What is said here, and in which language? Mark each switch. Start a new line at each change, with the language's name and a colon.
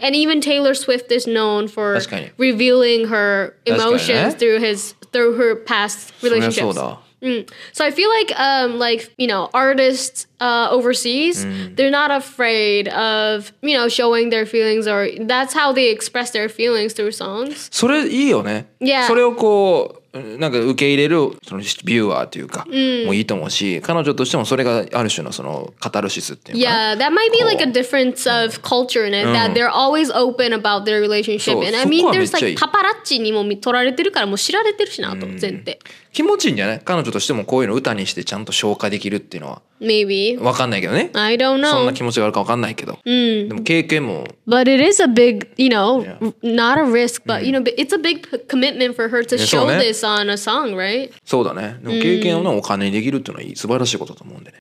English: And even Taylor Swift is known for revealing her emotions through her past relationships. So I feel like, you know, artists overseas, they're not afraid of, you know, showing their feelings or that's how they express their feelings through songs.
Japanese: それいいよね。
English: Yeah.
Japanese: それをこう、なんか受け入れるそのビューアーというか、もういいと思うし、彼女としてもそれがある種のそのカタルシスっていうか。
English: Yeah, that might be like a difference of culture in it, that they're always open about their relationship. And I mean, there's like
Japanese: パパラッチにも取られてるからもう知られてるしなと、前提。気持ちいいんじゃない？彼女としてもこういうの歌にしてちゃんと消化できるっていうのは。
English: Maybe.
Japanese: わかんないけどね。
English: I don't know.
Japanese: そんな気持ちがあるかわかんないけど。でも経験も。
English: But it is a big, you know, not a risk, but you know, it's a big commitment for her to show this on a song, right?
Japanese: そうだね。でも経験をお金にできるっていうのはいい、素晴らしいことと思うんでね。